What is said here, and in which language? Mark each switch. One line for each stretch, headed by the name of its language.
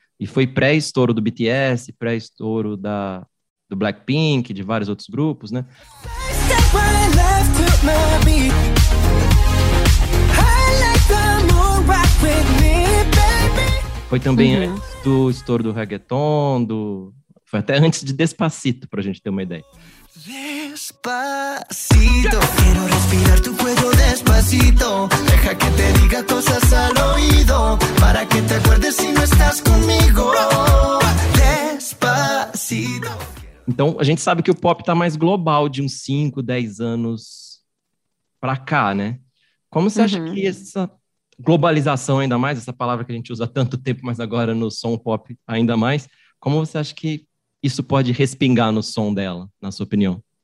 Portuguese: E foi pré-estouro do BTS, pré-estouro do Blackpink, de vários outros grupos, né? Foi também antes do estouro do reggaeton, foi até antes de Despacito, pra gente ter uma ideia.
Spanish: Despacito, quiero respirar tu cuello despacito. Deja que te diga cosas al oído, para que te acuerdes si no estás conmigo. Despacito.
Portuguese: Então, a gente sabe que o pop tá mais global de uns 5, 10 anos pra cá, né? Como você acha que essa globalização ainda mais, essa palavra que a gente usa há tanto tempo, mas agora no som pop ainda mais, como você acha que isso pode respingar no som dela, na sua opinião?